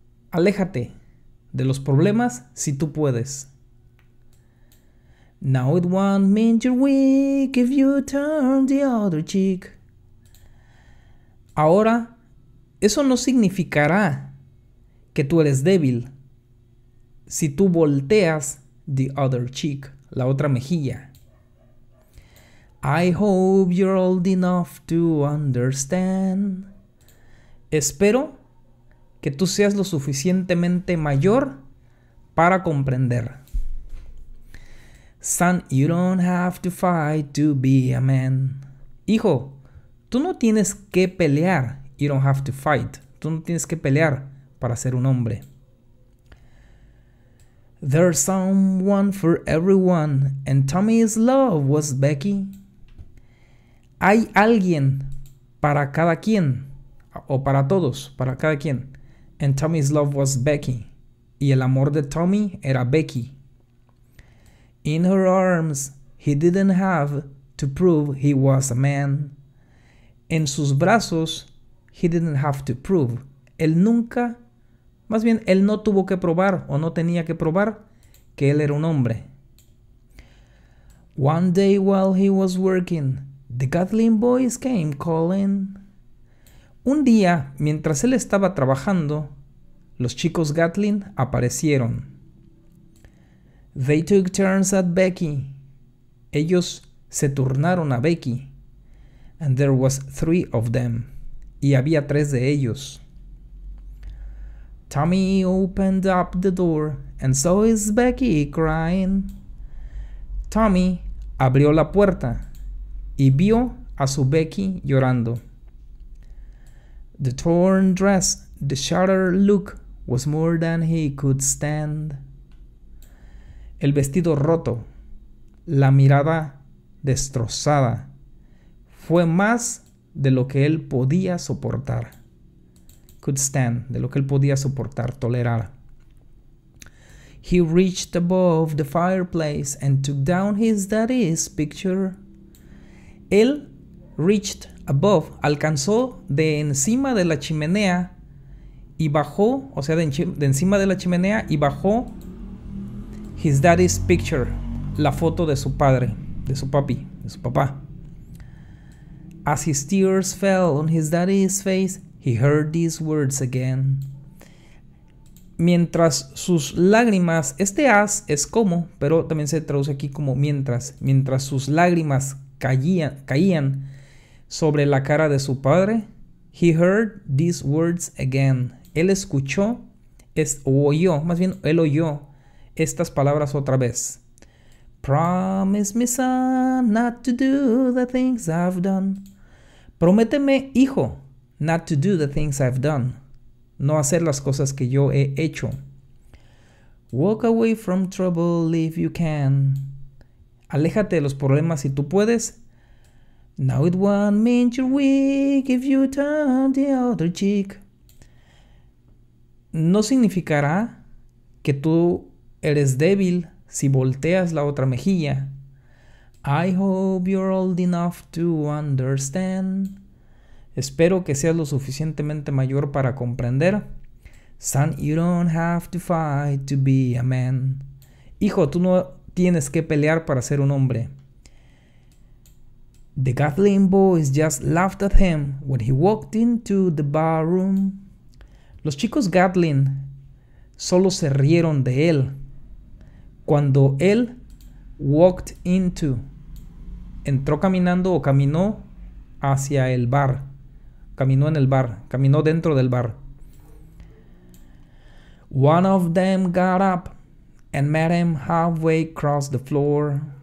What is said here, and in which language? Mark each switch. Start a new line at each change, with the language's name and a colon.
Spanish: Aléjate de los problemas si tú puedes.
English: Now it won't mean you're weak if you turn the other cheek.
Spanish: Ahora, eso no significará que tú eres débil si tú volteas
English: the other cheek,
Spanish: la otra mejilla.
English: I hope you're old enough to understand.
Spanish: Espero que tú seas lo suficientemente mayor para comprender.
English: Son, you don't have to fight to be a man.
Spanish: Hijo, tú no tienes que pelear.
English: You don't have to fight.
Spanish: Tú no tienes que pelear para ser un hombre.
English: There's someone for everyone, and Tommy's love was Becky.
Spanish: Hay alguien para cada quien, o para todos, para cada quien.
English: And Tommy's love was Becky.
Spanish: Y el amor de Tommy era Becky.
English: In her arms, he didn't have to prove he was a man.
Spanish: En sus brazos,
English: he didn't have to prove.
Spanish: Él nunca Más bien, él no tuvo que probar o no tenía que probar que él era un hombre.
English: One day while he was working, the Gatling boys came calling.
Spanish: Un día, mientras él estaba trabajando, los chicos Gatling aparecieron.
English: They took turns at Becky.
Spanish: Ellos se turnaron a Becky.
English: And there was three of them.
Spanish: Y había tres de ellos.
English: Tommy opened up the door and saw his Becky crying.
Spanish: Tommy abrió la puerta y vio a su Becky llorando.
English: The torn dress, the shattered look, was more than he could stand.
Spanish: El vestido roto, la mirada destrozada, fue más de lo que él podía soportar.
English: Could stand,
Spanish: de lo que él podía soportar, tolerar.
English: He reached above the fireplace and took down his daddy's picture.
Spanish: Él
English: reached above,
Spanish: alcanzó de encima de la chimenea y bajó, o sea, de encima de la chimenea y bajó
English: his daddy's picture,
Spanish: la foto de su padre, de su papi, de su papá.
English: As his tears fell on his daddy's face, he heard these words again.
Spanish: Mientras sus lágrimas, este as es como, pero también se traduce aquí como mientras sus lágrimas caían sobre la cara de su padre,
English: he heard these words again.
Spanish: Él escuchó, él oyó estas palabras otra vez.
English: Promise me, son, not to do the things I've done.
Spanish: Prométeme, hijo,
English: not to do the things I've done.
Spanish: No hacer las cosas que yo he hecho.
English: Walk away from trouble if you can.
Spanish: Aléjate de los problemas si tú puedes.
English: Now it won't mean you're weak if you turn the other cheek.
Spanish: No significará que tú eres débil si volteas la otra mejilla.
English: I hope you're old enough to understand.
Spanish: Espero que seas lo suficientemente mayor para comprender.
English: Son, you don't have to fight to be a man.
Spanish: Hijo, tú no tienes que pelear para ser un hombre.
English: The Gatling boys just laughed at him when he walked into the barroom.
Spanish: Los chicos Gatling solo se rieron de él cuando él
English: walked into.
Spanish: Entró caminando o caminó hacia el bar. Caminó en el bar, caminó dentro del bar.
English: One of them got up and met him halfway across the floor.